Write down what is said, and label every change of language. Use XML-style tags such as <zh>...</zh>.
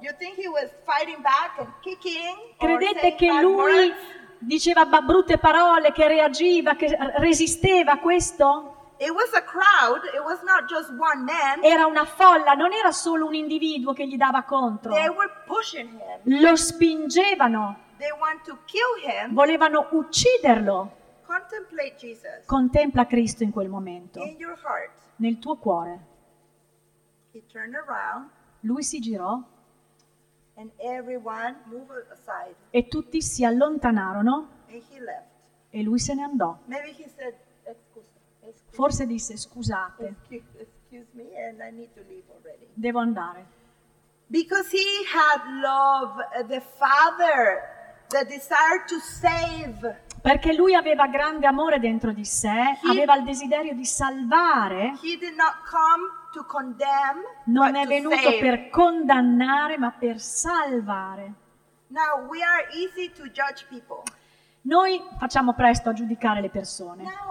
<en>You think he was fighting back and kicking?</en> <it>Credete che lui diceva brutte parole, che reagiva, che resisteva a questo?</it> <en>It was a crowd, it was not just one man.</en> <it>Era una folla, non era solo un individuo che gli dava contro.</it> <en>They were pushing him.</en> <it>Lo spingevano.</it> <en>They want to kill him.</en> <it>Volevano ucciderlo.</it> <en>Contemplate Jesus.</en> <it>Contempla Cristo in quel momento.</it> <en>In your heart.</en> <it>Nel tuo cuore.</it> <en>He turned around.</en> <it>Lui si girò.</it> <en>And everyone moved aside.</en> <it>E tutti si allontanarono.</it> <en>And he left.</en> <it>E lui se ne andò.</it> <en>Maybe he said,</en> <it>forse disse scusate.</it> <en>Excuse me, and I need to leave already.</en> <it>Devo andare.</it> <en>Because he had love, the Father, the desire to save.</en> <it>Perché lui aveva grande amore dentro di sé, he, aveva il desiderio di salvare.</it> <en>He did not come to condemn,</en> <it>non è venuto</it> <en>save.</en> <it>Per condannare, ma per salvare.</it> <en>Now we are easy to judge people.</en> <it>Noi facciamo presto a giudicare le persone.</it>